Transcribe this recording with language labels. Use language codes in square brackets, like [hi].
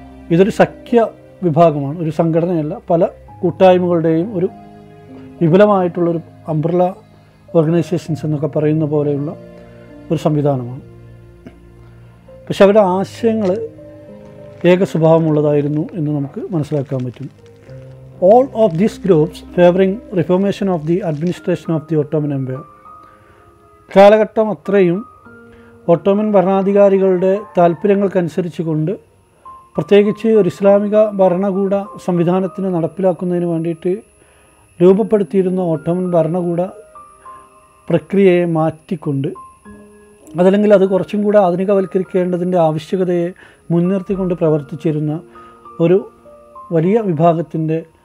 [ml] ഇതൊരു സഖ്യ വിഭാഗമാണ്, ഒരു സംഘടനയല്ല, പല കൂട്ടായ്മകളുടെയും ഒരു വിപുലമായിട്ടുള്ളൊരു അംബ്രല ഓർഗനൈസേഷൻസ് എന്നൊക്കെ പറയുന്ന പോലെയുള്ള ഒരു സംവിധാനമാണ്. പക്ഷെ അവരുടെ ആശയങ്ങൾ ഏക സ്വഭാവമുള്ളതായിരുന്നു എന്ന് നമുക്ക് മനസ്സിലാക്കാൻ പറ്റും. [en] All of these groups favoring reformation of the administration of the Ottoman Empire. [ml] കാലഘട്ടം അത്രയും ഒട്ടോമൻ ഭരണാധികാരികളുടെ താല്പര്യങ്ങൾക്കനുസരിച്ച് കൊണ്ട് പ്രത്യേകിച്ച് ഒരു ഇസ്ലാമിക ഭരണകൂട സംവിധാനത്തിന് നടപ്പിലാക്കുന്നതിന് വേണ്ടിയിട്ട് രൂപപ്പെടുത്തിയിരുന്ന ഒട്ടോമൻ ഭരണകൂട പ്രക്രിയയെ മാറ്റിക്കൊണ്ട് അതല്ലെങ്കിൽ അത് കുറച്ചും കൂടെ ആധുനികവൽക്കരിക്കേണ്ടതിൻ്റെ ആവശ്യകതയെ മുൻനിർത്തിക്കൊണ്ട് പ്രവർത്തിച്ചിരുന്ന ഒരു വലിയ വിഭാഗത്തിൻ്റെ